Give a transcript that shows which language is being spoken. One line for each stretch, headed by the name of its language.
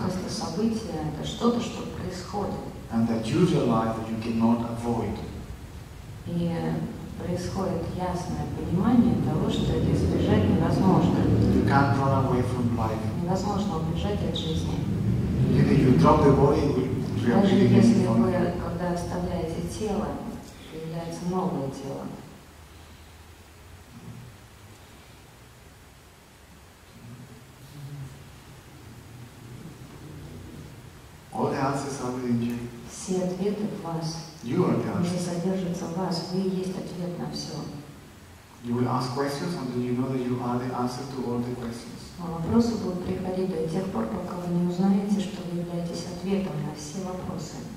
Russian: Просто событие – это что-то, что происходит.
English: And that you realize that you cannot avoid.
Russian: И происходит ясное понимание того, что это избежать невозможно.
English: You can't run away from life.
Russian: Невозможно убежать от жизни.
English: Even if you drop the body, it will actually be in front of you.
Russian: Даже если вы, когда оставляете тело, появляется новое тело.
English: All the answers are within you.
Russian: Все ответы в вас.
English: You are the answer.
Russian: Не содержатся в вас. Вы есть ответ на все.
English: You will ask questions until you know that you are the answer to all the questions.
Russian: Вопросы будут приходить до тех пор, пока вы не узнаете, что вы являетесь ответом на все вопросы.